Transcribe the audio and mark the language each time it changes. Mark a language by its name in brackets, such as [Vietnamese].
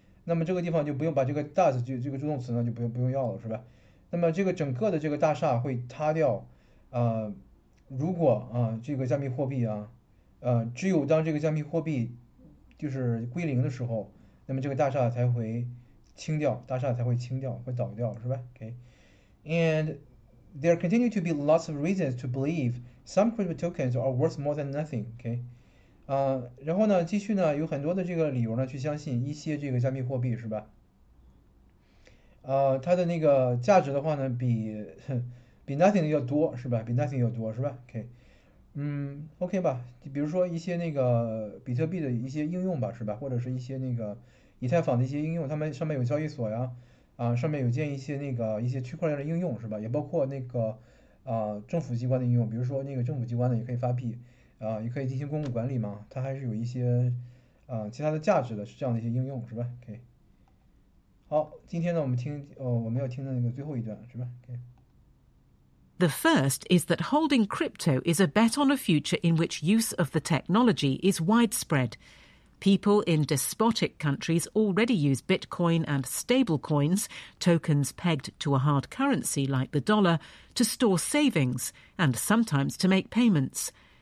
[Chinese] 那么这个地方就不用把这个 does 这个助动词呢就不用要了是吧？那么这个整个的这个大厦会塌掉，如果这个加密货币只有当这个加密货币就是归零的时候，那么这个大厦才会。清掉，大厦才会清掉，会倒掉，是吧？ [English] OK，and there continue to be lots of reasons to believe some crypto tokens are worth more than nothing. [Chinese] OK，然后呢，继续呢，有很多的这个理由呢，去相信一些这个加密货币，是吧？它的那个价值的话呢，比 nothing 要多，是吧？比 nothing 要多，是吧？OK，OK 吧，比如说一些那个比特币的一些应用吧，是吧？或者是一些那个。以太坊的一些应用，他们上面有交易所呀，上面有建一些区块链的应用是吧？也包括那个，政府机关的应用，比如说那个政府机关的也可以发币，也可以进行公共管理嘛，它还是有一些，其他的价值的，是这样的一些应用是吧？OK，好，今天呢我们要听的那个最后一段是吧？OK。 [English] The first is that holding crypto is a bet on a future in which use of the technology is widespread. People in despotic countries already use Bitcoin and stablecoins, tokens pegged to a hard currency like the dollar, to store savings and sometimes to make payments.